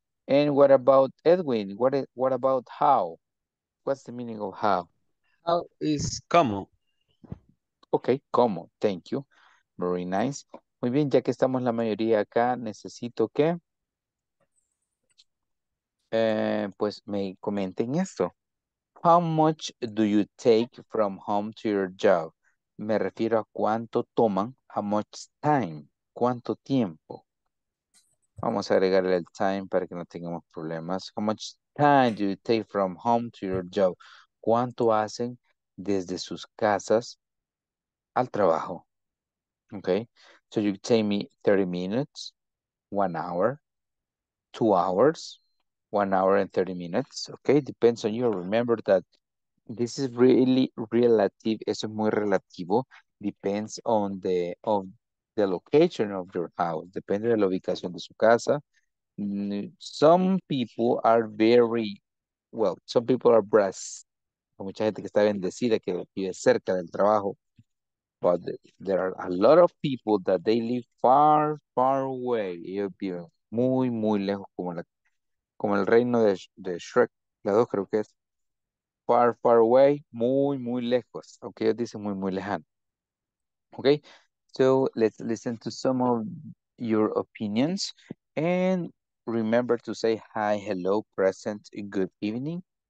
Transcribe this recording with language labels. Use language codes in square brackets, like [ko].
[en] And what about Edwin? What about how? What's the meaning of how? How is como. Okay, como. Thank you. Very nice. [es] Muy bien, ya que estamos la mayoría acá, necesito que... pues me comenten esto. [en] How much do you take from home to your job? [es] Me refiero a cuánto toman, [en] how much time, [es] cuánto tiempo. Vamos a agregarle el time para que no tengamos problemas. [en] How much time do you take from home to your job? [es] ¿Cuánto hacen desde sus casas al trabajo? Okay. [en] So you take me 30 minutes, 1 hour, 2 hours. 1 hour and 30 minutes, okay? Depends on you. Remember that this is really relative. [es] Eso es muy relativo. [en] Depends on the location of your house. [es] Depende de la ubicación de su casa. [en] Some people are very, well, some people are blessed. [es] Hay mucha gente que está bendecida, que vive cerca del trabajo. [en] But there are a lot of people that they live far, far away. [es] Ellos viven muy, muy lejos, como el reino de Shrek, la dos creo que es, [en] far, far away, [es] muy, muy lejos, aunque ellos dicen muy, muy lejano. [en] Ok, so let's listen to some of your opinions, and remember to say hi, hello, present, good evening.